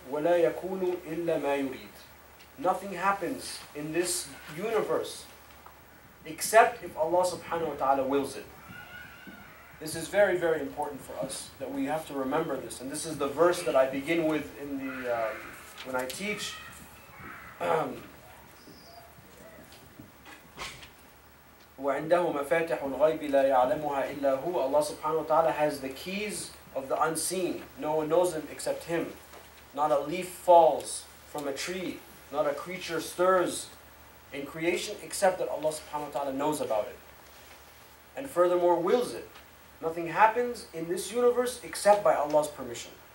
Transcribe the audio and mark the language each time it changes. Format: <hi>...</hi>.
<ar>وَلَا يَكُونُ إِلَّا مَا يُرِيدُ.</ar> <en>Nothing happens in this universe except if Allah subhanahu wa ta'ala wills it. This is very, very important for us, that we have to remember this. And this is the verse that I begin with in the... when I teach,</en> <ar>وَعِنْدَهُ مَفَاتِحُ الْغَيْبِ لَا يَعْلَمُهَا إِلَّا هُوَ.</ar> <en>Allah subhanahu wa ta'ala has the keys of the unseen. No one knows them except Him. Not a leaf falls from a tree. Not a creature stirs in creation except that Allah subhanahu wa ta'ala knows about it. And furthermore, wills it. Nothing happens in this universe except by Allah's permission.</en>